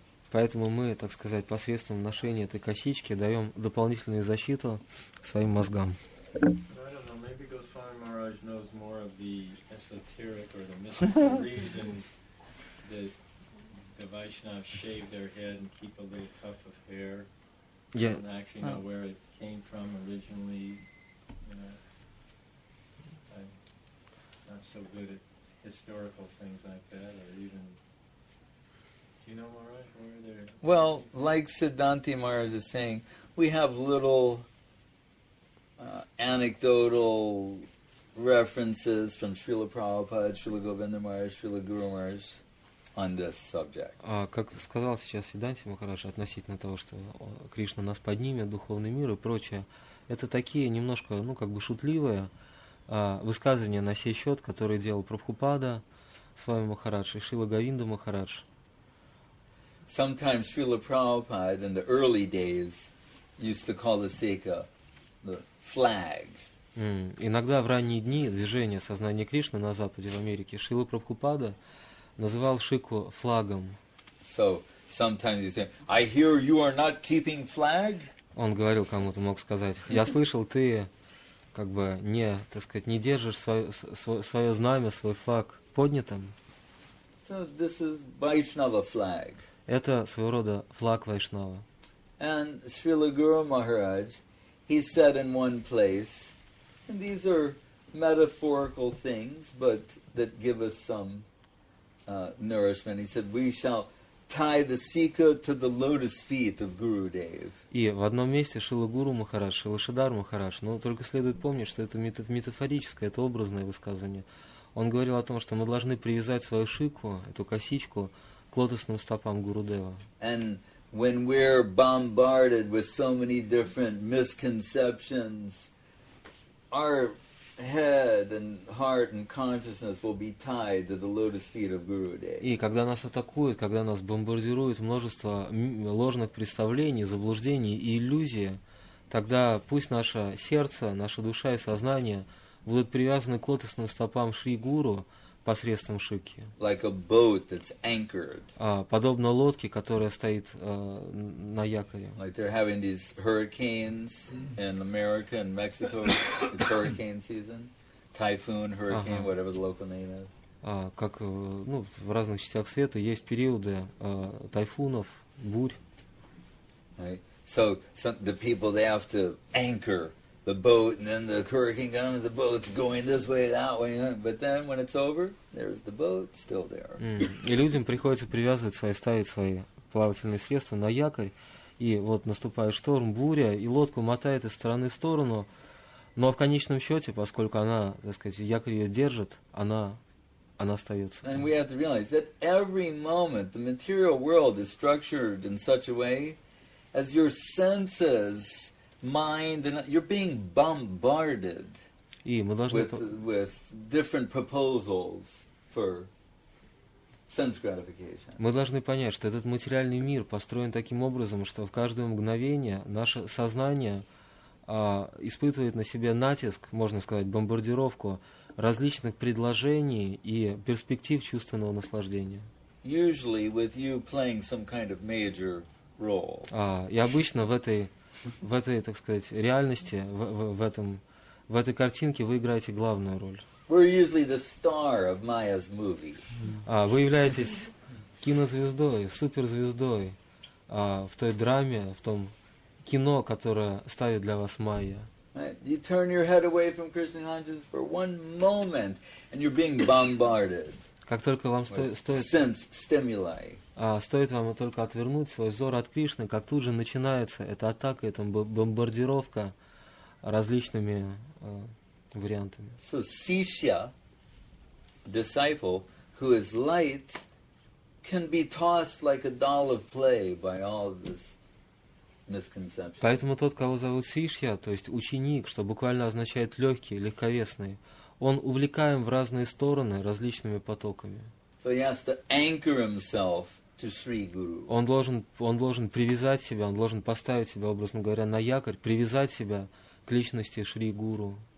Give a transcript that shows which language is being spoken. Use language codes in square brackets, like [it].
[ru] Поэтому мы, так сказать, посредством ношения этой косички даем дополнительную защиту своим мозгам. [en] I don't know, maybe Goswami Maharaj knows more of the esoteric or the mystical reason that the Vaishnavas shave their head and keep a little tuft of hair. Yeah. I don't actually know where it came from originally. I'm not so good at historical things like that, or even... Do you know, Maharaj, where are there... Well, like Siddhanti Maharaj is saying, we have little... anecdotal references from Srila Prabhupada, Srila Govinda Maharaj, Srila Guru Maharaj on this subject. [ru] Как сказал сейчас Сиданти Махараш относительно того, что Кришна нас поднимет, духовный мир и прочее, это такие немножко, ну, как бы шутливые высказывания на сей счет, которые делал Прабхупада с вами Махарадж и Шрила Говинда Махарадж. [en] Sometimes Srila Prabhupada in the early days used to call the sikha the flag. [ru] Иногда в ранние дни движение сознания Кришны на Западе в Америке Шрила Прабхупада называл шику флагом. [en] So sometimes you say, I hear you are not keeping flag. [ru] Он говорил кому-то, мог сказать, я слышал, ты как бы не, так сказать, не держишь свое знамя, свой флаг поднятым. [en] So this is Vaishnava flag. [ru] Это своего рода флаг Вайшнава. [en] And Srila Guru Maharaj, he said in one place, and these are metaphorical things, but that give us some nourishment. He said, "We shall tie the sikkha to the lotus feet of Guru Dev." [ru] И в одном месте Шрила Гуру Махарадж, Шрила Шридхар Махарадж. Но только следует помнить, что это метафорическое, это образное высказывание. Он говорил о том, что мы должны привязать свою шику, эту косичку, к лотосным стопам Гуру Дева. [en] When we're bombarded with so many different misconceptions, our head and heart and consciousness will be tied to the lotus feet of Guru Dev. [ru] И когда нас атакуют, когда нас бомбардируют множество ложных представлений, заблуждений и иллюзий, тогда пусть наше сердце, наша душа и сознание будут привязаны к лотосным стопам Шри Гуру посредством шики. [en] Like a boat that's anchored. [ru] Подобно лодке, которая стоит на якоре. [en] Like they're having these hurricanes in America and Mexico. It's hurricane season. Typhoon, hurricane, uh-huh. Whatever the local name is. [ru] Как ну, в разных частях света есть периоды тайфунов, бурь. [en] Right. So some, the people, they have to anchor the boat, and then the hurricane comes, and the boat's going this way, that way. But then, when it's over, there's the boat still there. [ru] И людям приходится привязывать свои, ставить свои плавательные средства на якорь, и вот наступает шторм, буря, и лодку мотает из стороны в сторону, но в конечном счете, поскольку она, так сказать, якорь ее держит, она она остается. [en] And we have to realize that every moment the material world is structured in such a way as your senses, mind, and you're being bombarded with different proposals for sense gratification. [ru] Мы должны понять, что этот материальный мир построен таким образом, что в каждое мгновение наше сознание испытывает на себе натиск, можно сказать, бомбардировку различных предложений и перспектив чувственного наслаждения. [en] Usually with you playing some kind of major role. [ru] И обычно в этой, так сказать, реальности, в этой картинке вы играете главную роль. [en] We're usually the star of Maya's movie. [ru] Вы являетесь кинозвездой, суперзвездой в той драме, в том кино, которое ставит для вас Майя. [en] Right. You turn your head away from Krishna consciousness for one moment, and you're being bombarded. [ru] Как только вам стоит [en] sense stimuli. [ru] Стоит вам только отвернуть свой взор от Кришны, как тут же начинается эта атака, эта бомбардировка различными вариантами. [en] So Sishya, disciple who is light, can be tossed like a doll of play by all of this. [ru] Поэтому тот, кого зовут Сишья, то есть ученик, что буквально означает легкий, легковесный, он увлекаем в разные стороны различными потоками. [en] So he has to anchor himself to Sri Guru. [ru] Он должен привязать себя, он должен поставить себя, образно говоря, на якорь, привязать себя к личности Шри Гуру.